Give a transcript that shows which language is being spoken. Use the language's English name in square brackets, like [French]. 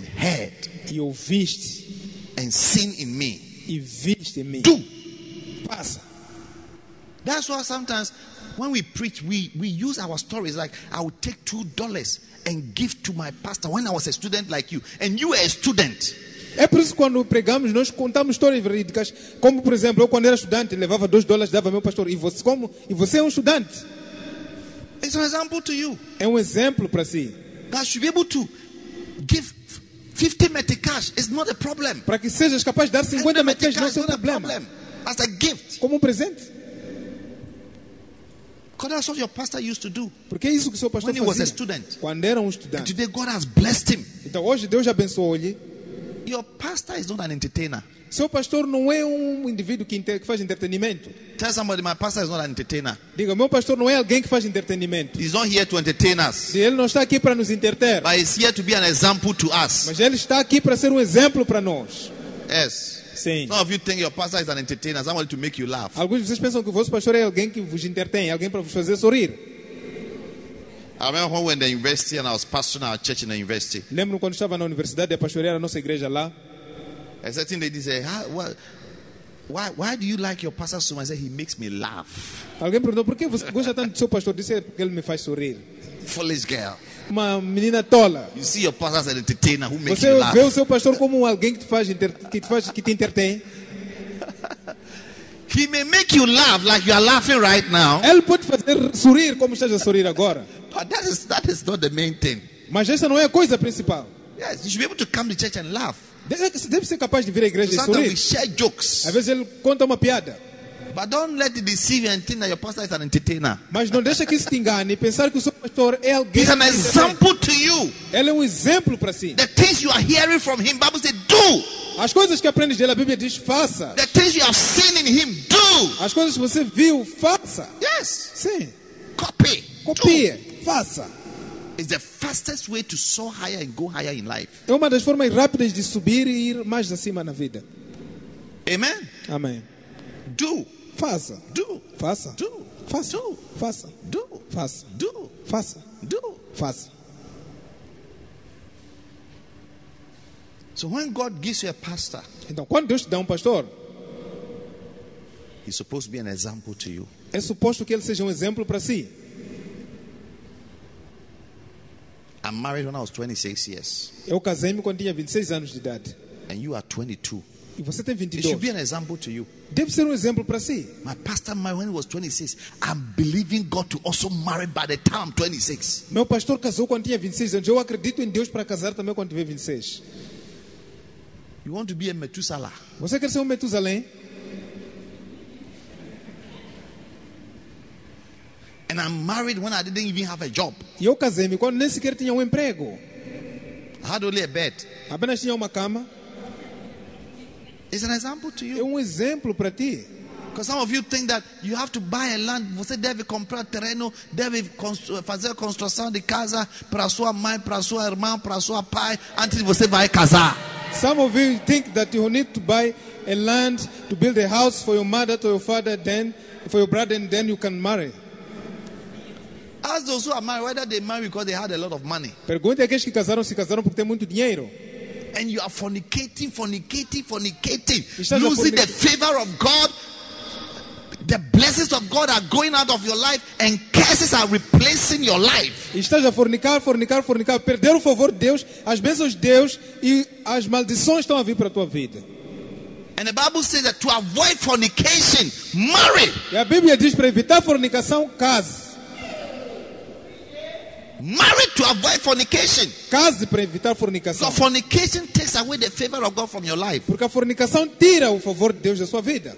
[English] and heard, [Portuguese] e ouviste [English] and seen in me, [Portuguese] e viste em mim. [English] Do. [Portuguese] Passa. [English] That's why sometimes when we preach, we use our stories like I would take $2 and give to my pastor when I was a student like you. And you were a student. [Portuguese] É por isso que quando pregamos, nós contamos histórias verídicas. Como por exemplo, eu quando era estudante, levava $2 e dava ao meu pastor. E você é um estudante. [English] It's an example to you. [Portuguese] É um exemplo para si. [English] That should be able to give 50 metric cash. It's not a problem. [Portuguese] Para que sejas capaz de dar 50 metric cash, não é um problema. [English] As a gift. [Portuguese] Como um presente. [English] Because that's what your pastor used to do. [Portuguese] Porque é isso que seu pastor [English] when [Portuguese] fazia. [English] He was a student. [Portuguese] Quando era um estudante. [English] And today God has blessed him. [Portuguese] Então hoje Deus abençoou-lhe. [English] Your pastor is not an entertainer. [Portuguese] Seu pastor não é um indivíduo que faz entretenimento. [English] Tell somebody, my pastor is not an entertainer. [Portuguese] Diga, meu pastor não é alguém que faz entretenimento. [English] He's not here to entertain us. [Portuguese] Ele não está aqui para nos entreter. [English] But he's here to be an example to us. [Portuguese] Mas ele está aqui para ser um exemplo para nós. [English] Yes. [Portuguese] Sim. [English] Some of you think your pastor is an entertainer, somebody to make you laugh. [Portuguese] Alguns de vocês pensam que o vosso pastor é alguém que vos entretém, alguém para vos fazer sorrir. [English] I remember when we were in the university and I was pastoring our church in the university. [Portuguese] Lembro quando estava na universidade e pastoreava a nossa igreja lá. [English] A certain lady said, why do you like your pastor so much? I said, he makes me laugh. [Portuguese] Alguém perguntou por que você gosta tanto do seu pastor? Disse que ele me faz sorrir. [English] Foolish girl. [Portuguese] Uma menina tola. [English] You see your pastor as an entertainer who makes [Portuguese] você [English] you laugh. [Portuguese] Você vê o seu pastor como alguém que te entretém. [English] He may make you laugh like you are laughing right now. [Portuguese] Ele pode fazer sorrir como estás a sorrir agora. [English] But that is not the main thing. [Portuguese] Mas essa não é a coisa principal. [English] Yes, you should be able to come to church and laugh. [Portuguese] Deve ser capaz de vir à igreja e sorrir. [English] Sometimes we share jokes. [Portuguese] Às vezes ele conta uma piada. [English] But don't let it deceive you and think that your pastor is an entertainer. [Portuguese] Mas não deixa que isso te engane e pensar que o seu pastor é alguém. [English] He's an example to you. [Portuguese] Ele é um exemplo para si. [English] The things you are hearing from him, Bible says, do. [Portuguese] As coisas que aprendes dele, a Bíblia diz, faça. [English] The things you have seen in him, do. [Portuguese] As coisas que você viu, faça. [English] Yes. [Portuguese] Sim. Copie. Faça. [English] Is the fastest way to soar higher and go higher in life. [Portuguese] É uma das formas rápidas de subir e ir mais acima na vida. [English] Amen. [Portuguese] Amém. [English] Do. [Portuguese] Faça. [English] Do. [Portuguese] Faça. [English] Do. [Portuguese] Faça. [English] Do. [Portuguese] Faça. [English] Do. [Portuguese] Faça. [English] Do. [Portuguese] Faça. [English] Do. [Portuguese] Faça. [English] So when God gives you a pastor, [Portuguese] então quando Deus te dá um pastor, [English] he's supposed to be an example to you. [Portuguese] É suposto que ele seja um exemplo para si. [English] I'm married when I was 26 years. [Portuguese] Eu casei-me quando tinha 26 anos de idade. [English] And you are 22. [Portuguese] E você tem 22. [English] It should be an example to you. [Portuguese] Deve ser um exemplo para si. [English] My pastor married when he was 26. I'm believing God to also marry by the time I'm 26. [Portuguese] Meu pastor casou quando tinha 26 anos. Eu acredito em Deus para casar também quando tiver 26. [English] You want to be a Methuselah? [Portuguese] Você quer ser um Methuselah? [English] And I'm married when I didn't even have a job. [Portuguese] Eu casei-me quando nem sequer tinha emprego. [English] I had only a bed. [Portuguese] Apenas tinha uma cama. [English] It's an example to you. [Portuguese] É exemplo para ti. [English] Because some of you think that you have to buy a land. [Portuguese] Você deve comprar terreno, deve fazer construção de casa para sua mãe, para sua irmã, para sua pai, antes de você vai casar. [English] Some of you think that you need to buy a land to build a house for your mother, to your father, then for your brother, and then you can marry. Ask those who are married whether they married because they had a lot of money. [Portuguese] Pergunte àqueles que casaram se casaram porque têm muito dinheiro. [English] And you are fornicating, losing the favor of God. The blessings of God are going out of your life, and curses are replacing your life. [Portuguese] Estás a fornicar, perder o favor de Deus, as bênçãos de Deus e as maldições estão a vir para a tua vida. [English] And the Bible says that to avoid fornication, marry. [Portuguese] E a Bíblia diz para evitar fornicação, case. [English] Marry to avoid fornication. [Portuguese] Case para evitar fornicação. [English] So fornication takes away the favor of God from your life. [Portuguese] Porque a fornicação tira o favor de Deus da sua vida.